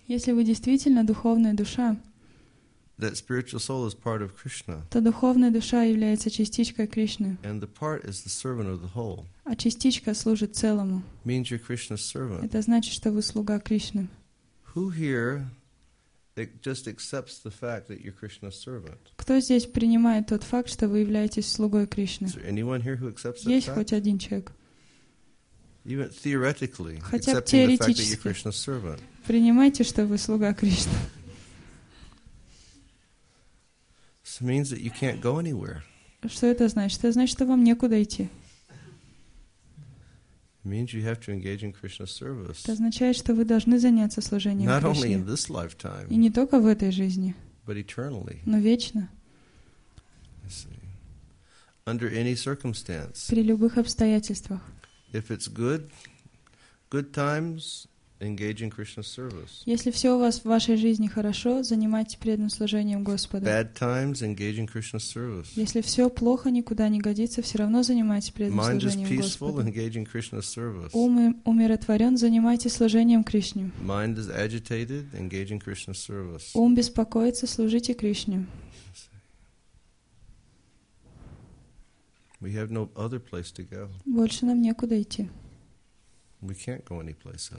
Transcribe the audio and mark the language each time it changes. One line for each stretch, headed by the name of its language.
Russian: если вы действительно духовная душа,
English: That spiritual soul is part of Krishna.
Russian: Та духовная душа является частичкой Кришны.
English: And the part is the servant of the whole.
Russian: А частичка служит целому.
English: Means you're Krishna's servant.
Russian: Это значит, что вы слуга Кришны.
English: Who here just accepts the fact that you're Krishna's servant?
Russian: Кто здесь принимает тот факт, что вы являетесь слугой Кришны?
English: Is there anyone here who accepts that?
Russian: Есть хоть один человек?
English: Even theoretically,
Russian: хотя
English: accepting the fact that you're Krishna's servant.
Russian: Принимайте, что вы слуга Кришны.
English: Means that you can't go anywhere.
Russian: Что это значит? Это значит, что вам некуда идти.
English: Means you have to engage in Krishna's service.
Russian: Это означает, что вы должны заняться служением
English: Not
Russian: Кришне.
English: Only in this lifetime,
Russian: и не только в этой жизни,
English: but eternally.
Russian: Но вечно.
English: Under any circumstance.
Russian: При любых обстоятельствах.
English: If it's good times, engage in Krishna's service.
Russian: Если все у вас в вашей жизни хорошо, занимайтесь преданным служением Господа.
English: Bad times, engage in Krishna's service.
Russian: Если все плохо, никуда не годится, все равно занимайтесь преданным
English: Mind
Russian: служением
English: is peaceful,
Russian: Господа.
English: Engage in Krishna's service.
Russian: Ум умиротворен, занимайтесь служением Кришне.
English: Mind is agitated, engage in Krishna's service.
Russian: Ум беспокоится, служите Кришне.
English: We have no other place to go.
Russian: Больше нам некуда идти.
English: We can't go anyplace else.